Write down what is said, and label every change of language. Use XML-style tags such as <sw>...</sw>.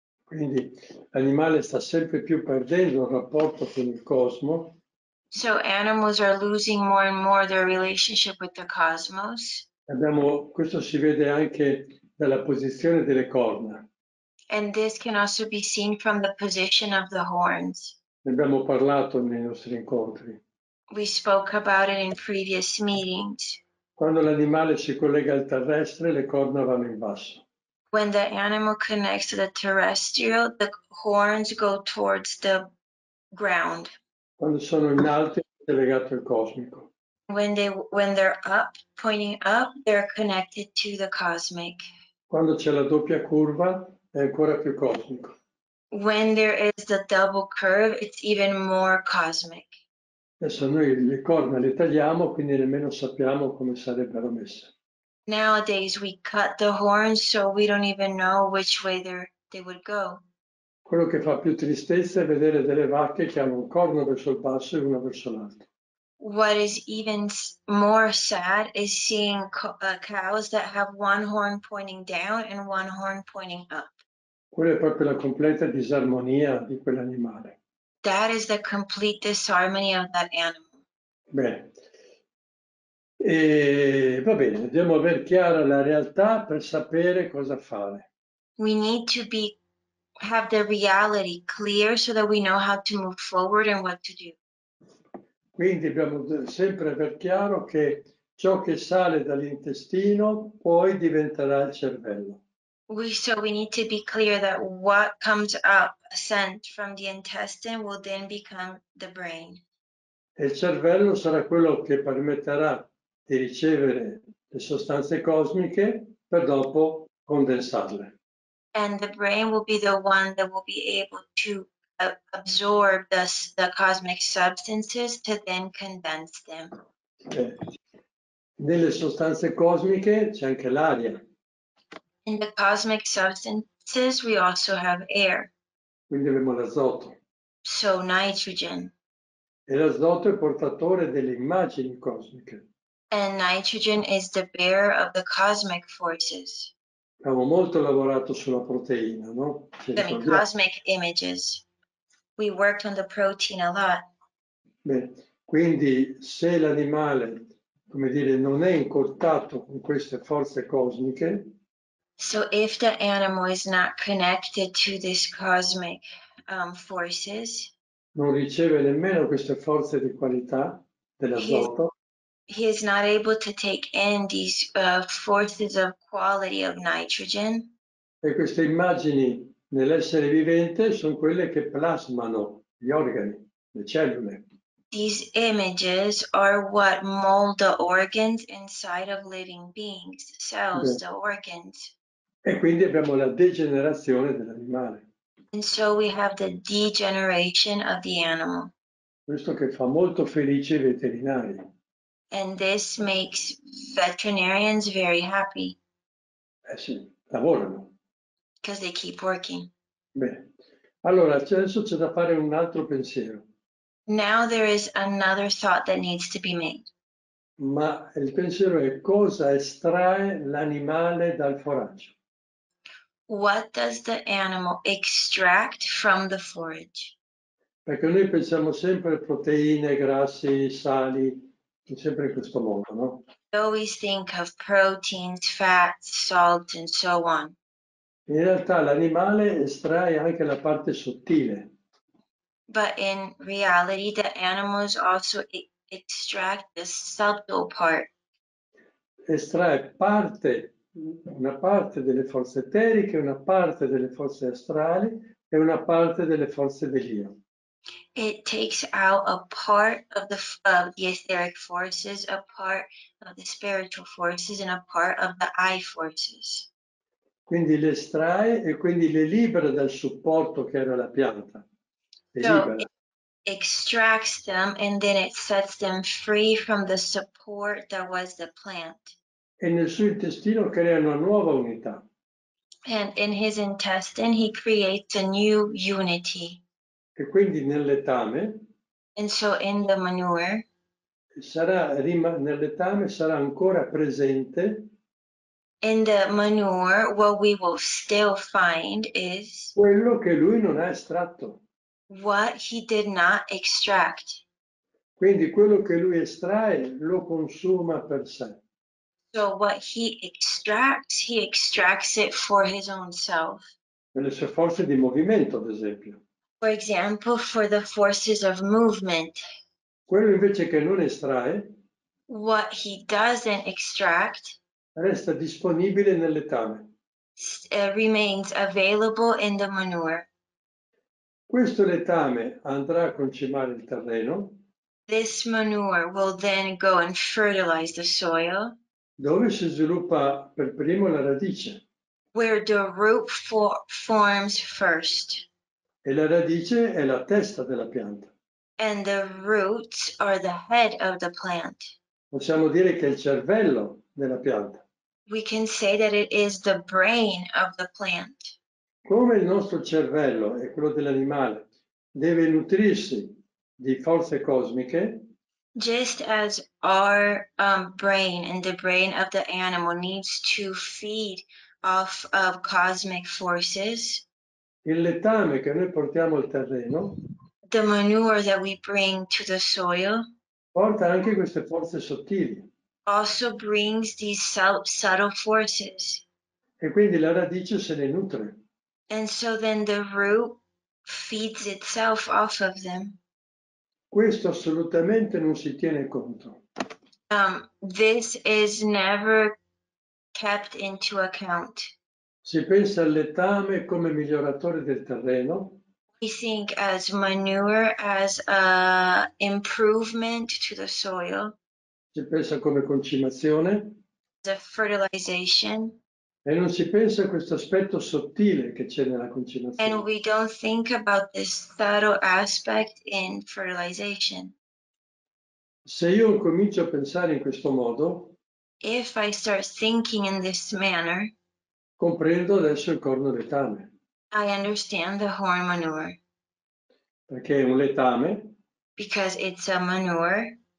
<it>Quindi l'animale sta sempre più perdendo il rapporto con il cosmo.</it> <en>So animals are losing more and more their relationship with the cosmos.</en> <it>Questo si vede anche dalla posizione delle corna.</it> <en>And this can also be seen from the position of the horns.</en> <it>Ne abbiamo parlato nei nostri incontri.</it> <en>We spoke about it in previous meetings.</en> <it>Quando l'animale si collega al terrestre, le corna vanno in basso.</it> <en>When the animal connects to the terrestrial, the horns go towards the ground.</en> <it>Quando sono in alto, è legato al cosmico.</it> <en>When they're up, pointing up, they're connected to the cosmic.</en> <it>Quando c'è la doppia curva, è ancora più cosmico.</it> <en>When there is the double curve, it's even more cosmic.</en> <it>Adesso noi le corna le tagliamo, quindi nemmeno sappiamo come sarebbero messe.</it> <en>Nowadays we cut the horns, so we don't even know which way they would go.</en> <it>Quello che fa più tristezza è vedere delle vacche che hanno un corno verso il basso e uno verso l'alto.</it> <en>What is even more sad is seeing cows that have one horn pointing down and one horn pointing up.</en> <it>Quella è proprio la completa disarmonia di quell'animale.</it> <en>That is the complete disharmony of that animal.</en> <it>Bene. Va bene, dobbiamo aver chiara la realtà per sapere cosa fare.</it> <en>We need to have the reality clear so that we know how to move forward and what to do.</en> <it>Quindi dobbiamo sempre aver chiaro che ciò che sale dall'intestino poi diventerà il cervello.</it> <en>So we need to be clear that what comes up sent from the intestine will then become the brain.</en> <it>E il cervello sarà quello che permetterà di ricevere le sostanze cosmiche per dopo condensarle.</it> <en>And the brain will be the one that will be able to absorb the cosmic substances to then condense them.</en> <it>Okay. Nelle sostanze cosmiche c'è anche l'aria.</it> <en>In the cosmic substances we also have air.</en> <it>Quindi abbiamo l'azoto.</it> <en>So nitrogen.</en> <it>E l'azoto è portatore delle immagini cosmiche.</it> <en>And nitrogen is the bearer of the cosmic forces.</en> <it>Abbiamo molto lavorato sulla proteina, no?</it> <en>The cosmic images. We worked on the protein a lot.</en> <it>Beh, quindi se l'animale, come dire, non è in contatto con queste forze cosmiche.</it> <en>So if the animal is not connected to these cosmic forces.</en> <it>Non riceve nemmeno queste forze di qualità dell'azoto.</it> <en>He is not able to take in these forces of quality of nitrogen.</en> <it>E queste immagini nell'essere vivente sono quelle che plasmano gli organi, le cellule.</it> <en>These images are what mold the organs inside of living beings, cells, the organs.</en> <it>E quindi abbiamo la degenerazione dell'animale.</it> <en>And so we have the degeneration of the animal.</en> <it>Questo che fa molto felice i veterinari.</it> <en>And this makes veterinarians very happy.</en> <it>Eh sì, lavorano.</it> <en>Because they keep working.</en> <it>Bene. Allora, adesso c'è da fare un altro pensiero.</it> <en>Now there is another thought that needs to be made.</en> <it>Ma il pensiero è cosa estrae l'animale dal foraggio?</it> <en>What does the animal extract from the forage?</en> <it>Perché noi pensiamo sempre a proteine, grassi, sali, sempre in questo modo, no?</it> <en>We always think of proteins, fats, salt, and so on.</en> <it>In realtà l'animale estrae anche la parte sottile.</it> <en>But in reality, the animals also extract the subtle part.</en> <it>Estrae parte, una parte delle forze eteriche, una parte delle forze astrali e una parte delle forze dell'io.</it> <en>It takes out a part of the etheric forces, a part of the spiritual forces, and a part of the eye forces.</en> <it>Quindi le estrae e quindi le libera dal supporto che era la pianta.</it> <en>So it extracts them and then it sets them free from the support that was the plant.</en> <it>E nel suo intestino crea una nuova unità.</it> <en>And in his intestine he creates a new unity.</en> <it>E quindi nell'etame.</it> <en>And so in the manure.</en> <it>Nell'etame sarà ancora presente.</it> <en>In the manure, what we will still find is</en> <it>quello che lui non ha estratto.</it> <en>What he did not extract.</en> <it>Quindi quello che lui estrae lo consuma per sé.</it> <en>So what he extracts it for his own self.</en> <it>Per le sue forze di movimento, ad esempio.</it> <en>For example, for the forces of movement.</en> <it>Quello invece che non estrae.</it> <en>What he doesn't extract.</en> <it>Resta disponibile nell'etame.</it> <en>Remains available in the manure.</en> <it>Questo letame andrà a concimare il terreno.</it> <en>This manure will then go and fertilize the soil.</en> <it>Dove si sviluppa per primo la radice.</it> <en>Where the root forms first.</en> <it>E la radice è la testa della pianta.</it> <en>And the roots are the head of the plant.</en> <it>Possiamo dire che è il cervello della pianta.</it> <en>We can say that it is the brain of the plant.</en> <it>Come il nostro cervello e quello dell'animale deve nutrirsi di forze cosmiche.</it> <en>Just as our brain and the brain of the animal needs to feed off of cosmic forces,</en> <it>il letame che noi portiamo al terreno,</it> <en>the manure that we bring to the soil,</en> <it>porta anche queste forze sottili.</it> <en>Also brings these subtle forces.</en> <it>E quindi la radice se ne nutre.</it> <en>And so then the root feeds itself off of them.</en> <it>Questo assolutamente non si tiene conto.</it> <en>This is never kept into account.</en> <it>Si pensa al letame come miglioratore del terreno.</it> <en>We think as manure as a improvement to the soil.</en> <it>Si pensa come concimazione.</it> <en>The fertilization.</en> <it>E non si pensa a questo aspetto sottile che c'è nella concimazione.</it> <en>And we don't think about this subtle aspect in fertilization.</en> <it>Se io comincio a pensare in questo modo,</it> <en>if I start thinking in this manner,</en> <it>comprendo adesso il corno letame.</it> <en>I understand the horn manure.</en> <it>Perché è un letame.</it> <en>Because it's a manure.</en>